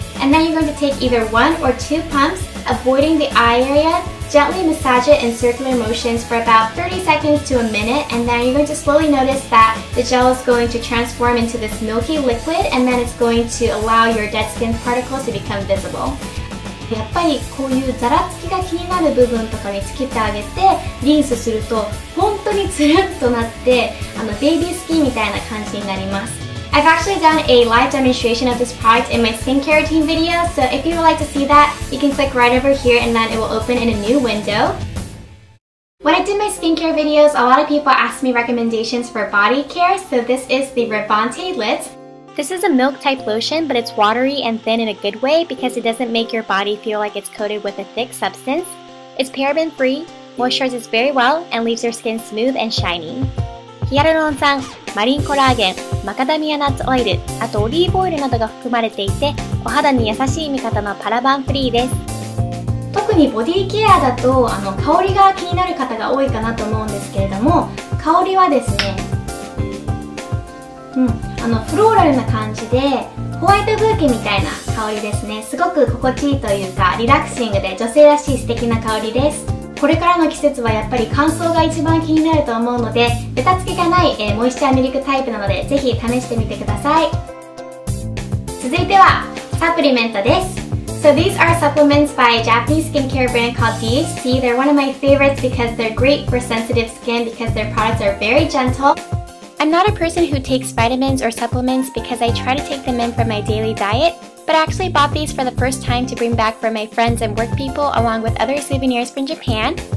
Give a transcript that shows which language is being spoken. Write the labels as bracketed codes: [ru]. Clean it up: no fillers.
[en] And then you're going to take either one or two pumps, avoiding the eye area, gently massage it in circular motions for about 30 seconds to a minute, and then you're going to slowly notice that the gel is going to transform into this milky liquid, and then it's going to allow your dead skin particles to become visible. [ja] やっぱりこういうザラつきが気になる部分とかにつけてあげてリンスすると本当につるっとなってベイビースキンみたいな感じになります。 [en] I've actually done a live demonstration of this product in my skincare routine video, so if you would like to see that, you can click right over here and then it will open in a new window. When I did my skincare videos, a lot of people asked me recommendations for body care, so this is the Revante Lit. This is a milk type lotion, but it's watery and thin in a good way because it doesn't make your body feel like it's coated with a thick substance. It's paraben free, moisturizes very well, and leaves your skin smooth and shiny. [ja] ヒアルロン酸、マリンコラーゲン、マカダミアナッツオイル、あとオリーブオイルなどが含まれていて、お肌に優しい味方のパラバンフリーです。特にボディケアだと香りが気になる方が多いかなと思うんですけれども、香りはですね、フローラルな感じでホワイトブーケみたいな香りですね。すごく心地いいというかリラクシングで女性らしい素敵な香りです。これからの季節はやっぱり乾燥が一番気になると思うので、ベタつきがない、モイスチャーミルクタイプなので、ぜひ試してみてください。続いては、サプリメントです。 [en] So these are supplements by a Japanese skincare brand called Deez. See, they're one of my favorites because they're great for sensitive skin because their products are very gentle. I'm not a person who takes vitamins or supplements because I try to take them in from my daily diet, but I actually bought these for the first time to bring back for my friends and work people along with other souvenirs from Japan.